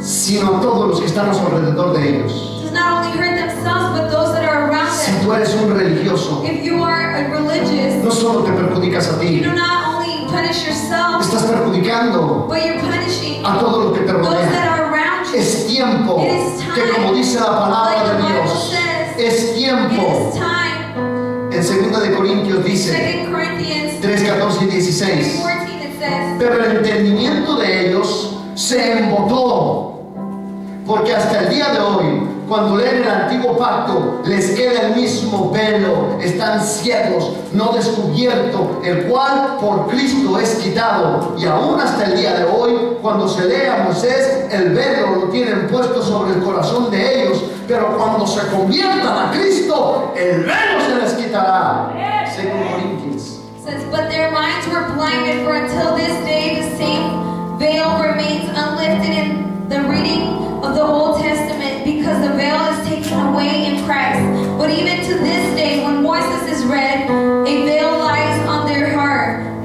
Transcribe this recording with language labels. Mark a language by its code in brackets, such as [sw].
[es] sino a todos los que están a su alrededor de ellos. [en] Does not only hurt themselves, but those that are around them. [es] Si tú eres un religioso, [en] if you are a religious, [es] no solo te perjudicas a ti, [en] you do not only punish yourself, [es] estás perjudicando, [en] but you're punishing [es] a todos los que te rodean. [en] Those that are around you. [es] Es tiempo, [en] it is time, [es] que como dice la palabra [en] like [es] de Dios, [en] says, [es] es tiempo. [en] It is time. [es] En 2 Corintios dice 3, 14 y 16, pero el entendimiento de ellos se embotó, porque hasta el día de hoy, cuando leen el antiguo pacto, les queda el mismo velo, están ciegos, no descubierto, el cual por Cristo es quitado. Y aún hasta el día de hoy, cuando se lee a Moisés, el velo lo tienen puesto sobre el corazón de ellos, pero cuando se conviertan a Cristo, el velo se les quitará. Según Corintios. [en] Says, but their minds were blinded, for until this day the same veil remains unlifted in the reading of the Old Testament, because the veil is taken away in Christ. But even to this day, when Moses is read, a veil lies on their heart.